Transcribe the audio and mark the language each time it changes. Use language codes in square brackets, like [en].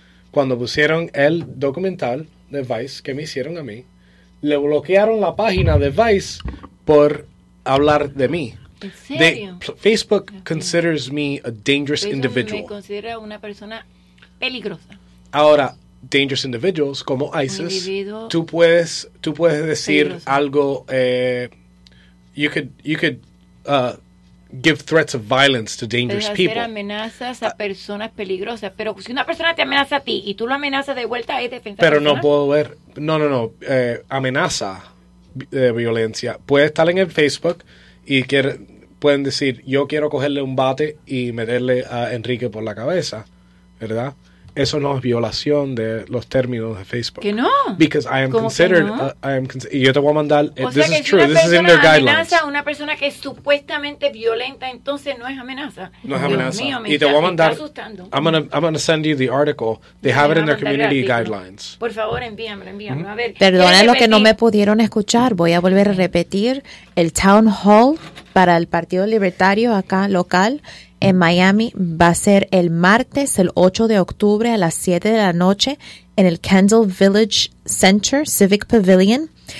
[es] Cuando pusieron el documental de Vice que me hicieron a mí, le bloquearon la página de Vice por hablar de mí. ¿En serio? [en] Facebook considers me a dangerous individual. [es] Facebook me considera una persona peligrosa. Ahora, [en] dangerous individuals [es] como ISIS, tú puedes decir peligroso. Algo, [en] you could give threats of violence to dangerous [es] hacer [en] people. [es] Amenazas a personas peligrosas, pero si una persona te amenaza a ti y tú lo amenazas de vuelta, es defensa. Pero no puedo ver, no, amenaza de violencia. Puede estar en el Facebook y pueden decir, yo quiero cogerle un bate y meterle a Enrique por la cabeza, ¿verdad? Eso no es violación de los términos de Facebook. ¿Que no? [en] Because I am considered, no? I am, [es] y yo te voy a mandar, [en] this is true, this is in their guidelines. [es] O sea, que si una persona amenaza a una persona que es supuestamente violenta, entonces no es amenaza. No es amenaza. Dios mío, y te voy a mandar, [en] I'm gonna send you the article, they have it in their community guidelines. [es] Por favor, envíame. Mm-hmm. A ver, perdona lo que no me pudieron escuchar, voy a volver a repetir, el town hall para el Partido Libertario acá local, en Miami, va a ser el martes, el 8 de octubre a las 7 de la noche en el Kendall Village Center Civic Pavilion.